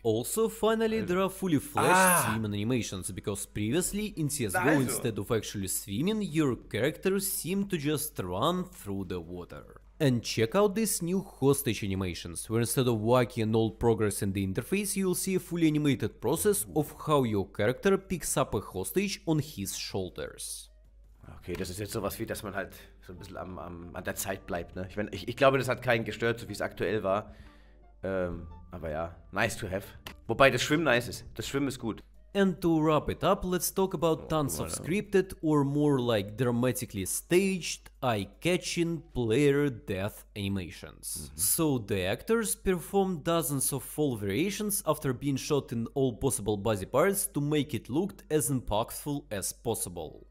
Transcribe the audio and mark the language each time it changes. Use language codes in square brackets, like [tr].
[en] Also, finally, there are fully fleshed swimming animations, because previously, in CSGO, instead of actually swimming, your characters seem to just run through the water. And check out these new hostage animations, where instead of wacky and old progress in the interface, you'll see a fully animated process of how your character picks up a hostage on his shoulders. [de] Okay, das ist jetzt sowas wie, dass man halt so ein bisschen an der Zeit bleibt, ne? Ich meine, ich glaube, das hat keinen gestört, so wie es aktuell war. Aber ja, [en] nice to have. [de] Wobei das Schwimmen nice ist. Das Schwimmen ist gut. [en] And to wrap it up, let's talk about tons of scripted or more like dramatically staged eye-catching player death animations. Mhm. So the actors perform dozens of fall variations after being shot in all possible body parts to make it look as impactful as possible.